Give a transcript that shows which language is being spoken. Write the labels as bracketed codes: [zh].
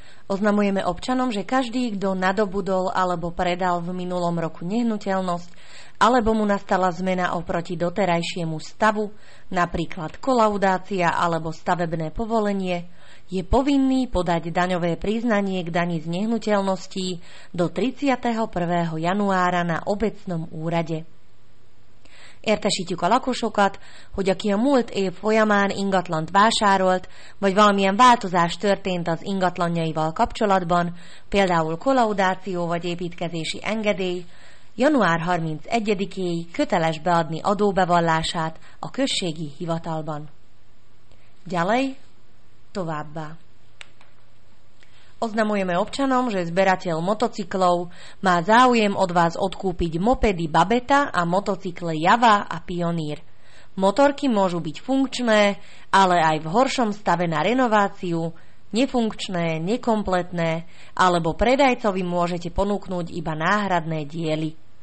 [sk] Oznamujeme občanom, že každý, kto nadobudol alebo predal v minulom roku nehnuteľnosť, alebo mu nastala zmena oproti doterajšiemu stavu, napríklad kolaudácia alebo stavebné povolenie, je povinný podať daňové priznanie k dani z nehnuteľností do 31. januára na obecnom úrade. [hu] Értesítjük a lakosokat, hogy aki a múlt év folyamán ingatlant vásárolt, vagy valamilyen változás történt az ingatlanjaival kapcsolatban, például kolaudáció vagy építkezési engedély, január 31-éig köteles beadni adóbevallását a községi hivatalban. Gyalej, továbbá. [sk] Oznamujeme občanom, že zberateľ motocyklov má záujem od vás odkúpiť mopedy Babeta a motocykle Java a Pionír. Motorky môžu byť funkčné, ale aj v horšom stave na renováciu, nefunkčné, nekompletné, alebo predajcovi môžete ponúknuť iba náhradné diely.